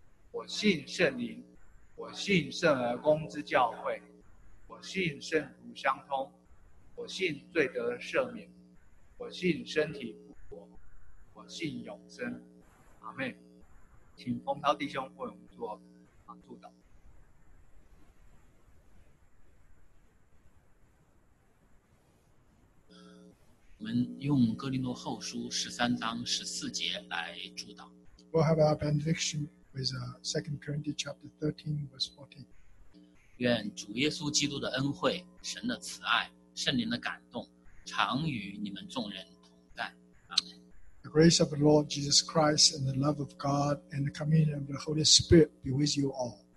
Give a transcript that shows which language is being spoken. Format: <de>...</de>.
<zh>我信圣灵，我信圣而公之教会，我信圣徒相通，我信罪得赦免，我信身体复活，我信永生。阿们。请冯涛弟兄为我们做祝祷。我们用哥林多后书十三章十四节来祝祷。</zh> <en>We'll have our benediction with Second Corinthians chapter 13:14.</en> <zh>愿主耶稣基督的恩惠、神的慈爱、圣灵的感动，常与你们众人同在。</zh> <en>Amen. The grace of the Lord Jesus Christ and the love of God and the communion of the Holy Spirit be with you all.</en>